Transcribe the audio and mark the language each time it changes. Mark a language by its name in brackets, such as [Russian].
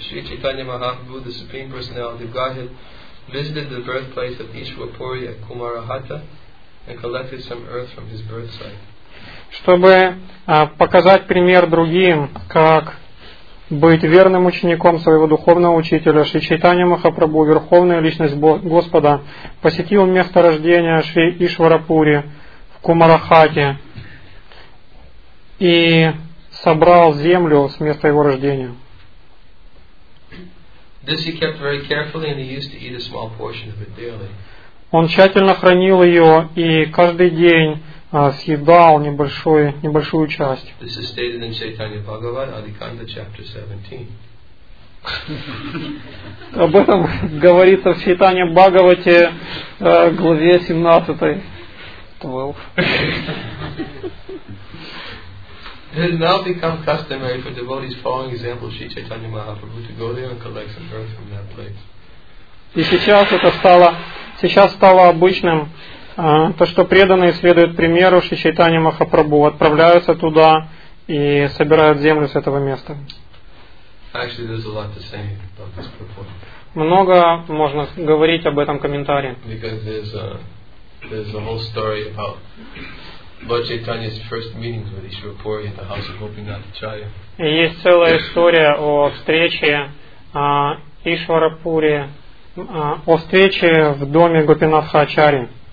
[English] Sri Chaitanya Mahaprabhu, the Supreme Personality of Godhead, visited the birthplace of Ishwa Puri at Kumarahatta and collected some earth from his birth site. [Russian] Чтобы показать пример другим, как быть верным учеником своего духовного учителя, Шри Чайтанья Махапрабху, Верховная Личность Господа, посетил место рождения Шри Ишвара Пури в Кумарахате и собрал землю с места его рождения. [English] This he kept very carefully, and he used to eat a small portion of it daily. [Russian] Он тщательно хранил ее и каждый день съедал небольшую часть. [English] This is stated in Chaitanya Bhagavat, Adikanda, chapter 17. [Russian] Об этом говорится в Чайтанье Бхагавате, главе 17. 12. [English] It has now become customary for devotees following example of Sri Chaitanya Mahaprabhu to go there and collect some earth from that place. [Russian] И сейчас стало обычным то, что преданные следуют примеру Шри Чайтанья Махапрабху, отправляются туда и собирают землю с этого места. [English] Actually, there's a lot to say about this purport. [Russian] Много можно говорить об этом комментарии. [English] Because there's a whole story about Lord Chaitanya's first meetings with Ishwara Puri in the house of Gopinath Acharya. [Russian] Есть целая история о встрече Ишвара Пури, о встрече в доме Гопинатха Ачарьи.